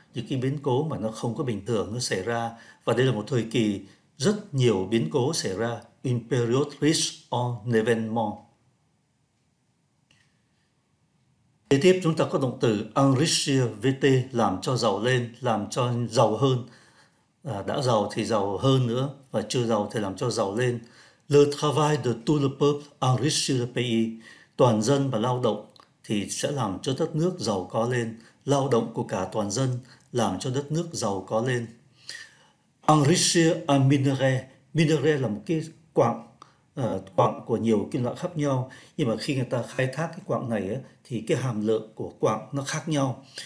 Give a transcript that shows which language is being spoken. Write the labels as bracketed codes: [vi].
[vi] Những cái biến cố mà nó không có bình thường, nó xảy ra. Và đây là một thời kỳ rất nhiều biến cố xảy ra, [fr] une période riche en événements. [vi] Kế tiếp chúng ta có động từ enrichir, VT, làm cho giàu lên, làm cho giàu hơn. Đã giàu thì giàu hơn nữa, và chưa giàu thì làm cho giàu lên. [fr] Le travail de tout le peuple enrichit le pays. [vi] Toàn dân và lao động thì sẽ làm cho đất nước giàu có lên. Lao động của cả toàn dân làm cho đất nước giàu có lên. [fr] Enrichir un minerai. [vi] Minerai là một cái quặng của nhiều kim loại khác nhau. Nhưng mà khi người ta khai thác cái quặng này ấy, thì cái hàm lượng của quặng nó khác nhau.